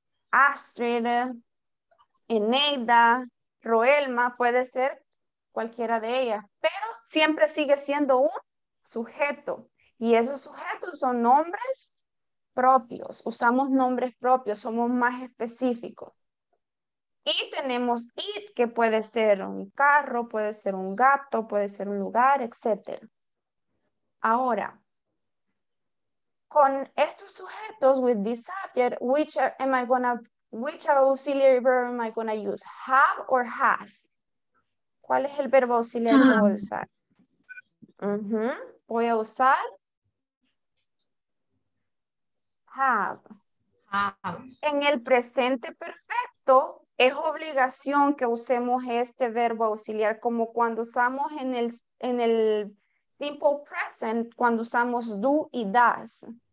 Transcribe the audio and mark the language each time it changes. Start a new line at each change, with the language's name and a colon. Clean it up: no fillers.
Spanish: Astrid, Eneida, Roelma, puede ser cualquiera de ellas, pero siempre sigue siendo un sujeto, y esos sujetos son nombres propios, usamos nombres propios, somos más específicos. Y tenemos it, que puede ser un carro, puede ser un gato, puede ser un lugar, etc. Ahora, con estos sujetos,
English: with this subject, which auxiliary verb am I going to use? Have or has?
Spanish: ¿Cuál es el verbo auxiliar que voy a usar? Voy a usar have. En el presente perfecto, es obligación que usemos este verbo auxiliar como cuando usamos en el simple present, cuando usamos do y does.